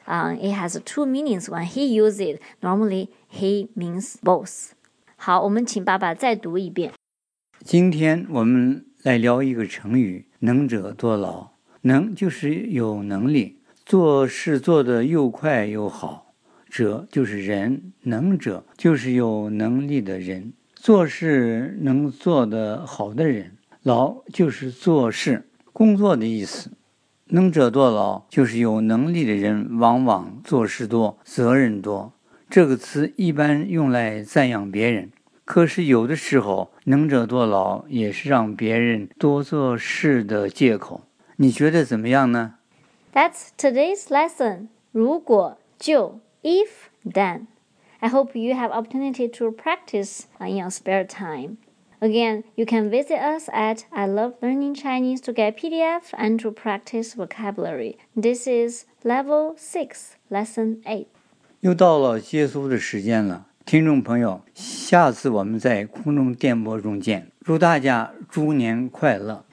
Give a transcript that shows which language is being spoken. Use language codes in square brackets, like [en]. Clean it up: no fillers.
[en] It has two meanings when he uses it. Normally,He means both. [zh] 好，我们请爸爸再读一遍。今天我们来聊一个成语，能者多劳。能就是有能力，做事做得又快又好。者就是人，能者就是有能力的人，做事能做得好的人。劳就是做事，工作的意思。能者多劳，就是有能力的人往往做事多，责任多。这个词一般用来赞扬别人，可是有的时候，能者多劳也是让别人多做事的借口。你觉得怎么样呢？ [en] That's today's lesson. [zh] 如果就 [en] if then. I hope you have opportunity to practice in your spare time. Again, you can visit us at I Love Learning Chinese to get PDF and to practice vocabulary. This is Level 6, Lesson 8. [zh] 又到了结束的时间了，听众朋友，下次我们在空中电波中见，祝大家猪年快乐。